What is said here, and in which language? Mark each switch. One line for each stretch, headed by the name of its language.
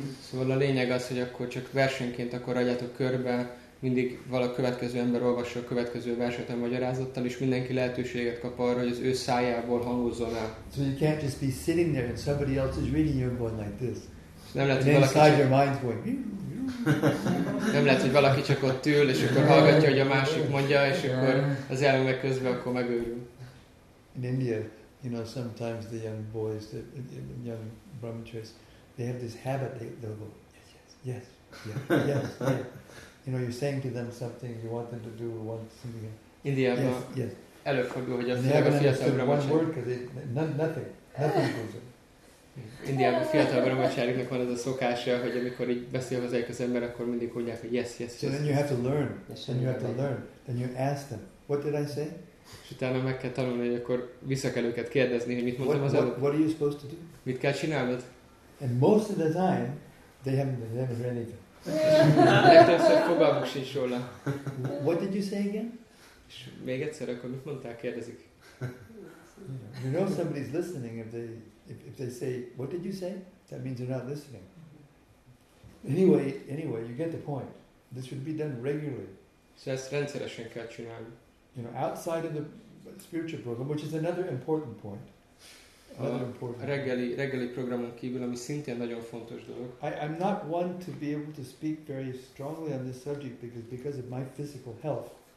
Hungarian: Szóval a lényeg az, hogy akkor csak versenként akkor adjátok körbe, mindig vala következő ember olvassa a következő verset a magyarázattal, és mindenki lehetőséget kap arra, hogy az ő szájából hangozzon el.
English: So you can't just be sitting there and somebody else is reading your book like this.
Hungarian: Nem lehet,
English: and inside your mind's going.
Hungarian: Nem lehet, hogy valaki csak ott ül, és akkor hallgatja, hogy a másik mondja, és akkor az elme közben akkor megőrül.
English: In India, you know, sometimes the young boys, the young brahmacharis, they have this habit, they'll go, yes. You know, you're saying to them something, you want them to do, you want something.
Hungarian: Indiában
English: yes.
Hungarian: Előfordul, hogy a fiatal brahmacharik.
English: Nothing goes on.
Hungarian: Indiában fiatal brahmacháriknak van ez a szokása, hogy amikor így beszél hozzájuk az ember, akkor mindig mondják, hogy yes.
English: So then you have to learn. Then you ask them, what did I say?
Hungarian: És utána meg kell tanulni, hogy akkor vissza kell őket kérdezni, hogy mit mondtam
English: what,
Hungarian: az előbb.
English: What are you supposed to do?
Hungarian: Mit kell csinálnod?
English: And most of the time, they haven't read anything.
Hungarian: Legtöbbször fogalmuk sincs róla.
English: What did you say again?
Hungarian: És még egyszer, akkor mit mondtál, kérdezik.
English: You know somebody's listening if they say, what did you say? That means they're not listening. Anyway, you get the point. This should be done regularly.
Hungarian: So ezt rendszeresen kell csinálni.
English: You know, outside of the spiritual program, which is another important point.
Hungarian: A reggeli programon kívül, ami szintén nagyon fontos dolog.
English: I'm not one to be able to speak very strongly on this subject because of my physical health.